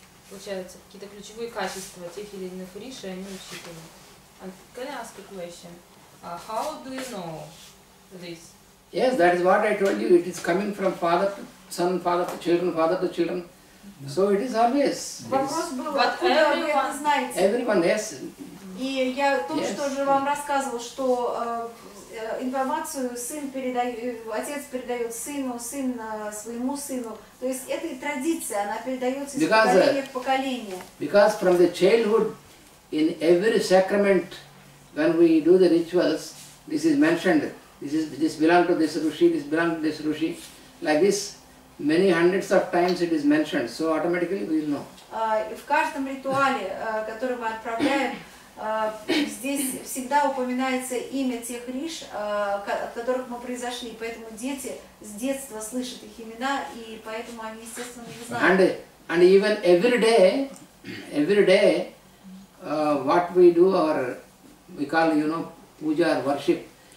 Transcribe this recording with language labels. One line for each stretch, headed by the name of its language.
Russian: Получается, какие-то ключевые качества тех или иных риш, они учитываются.
English: Can I ask a question? How do you know this? Yes, that is what I told you. It is coming from father to son, father to children, father to children. Yeah. So it is always.
Russian: Вопрос был,
English: but
Russian: откуда вы это знаете?
English: Everyone, yes.
Russian: И я то,
English: yes.
Russian: Что же вам рассказывал, что информацию сын передает, отец передает сыну, сын своему сыну. То есть это и традиция, она передается
English: because
Russian: из поколения в поколение.
English: Because from the childhood, in every sacrament, when we do the rituals, this is mentioned. This belongs to this Rishi, this belongs to this Rishi. Like this, many hundreds of times it is mentioned. So automatically we will know.
Russian: В каждом ритуале, который мы отправляем, здесь всегда упоминается имя тех риш, от которых мы произошли. Поэтому дети с детства слышат их имена, и поэтому они, естественно, их знают.
English: And even every day, what we do, or we call, you know, puja or worship.